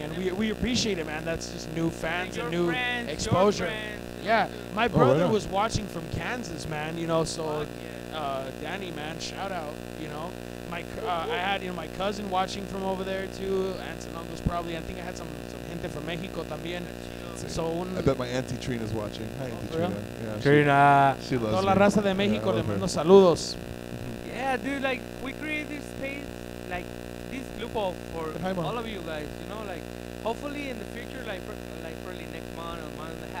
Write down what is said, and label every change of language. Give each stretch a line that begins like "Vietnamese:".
English: And we appreciate it, man. That's just new fans and new exposure. Yeah. My brother was watching from Kansas, man. Danny, man. Shout out, I had my cousin watching from over there, too. Aunts and uncles, probably. I think I had some gente from Mexico, también. So I bet my auntie Trina's watching. Hi, auntie Trina. Yeah, Trina. She loves
Spanish: toda la raza de México, le mando saludos.
English: Yeah, dude, we create this space, this loophole for all of you guys, hopefully in the future, probably next month or month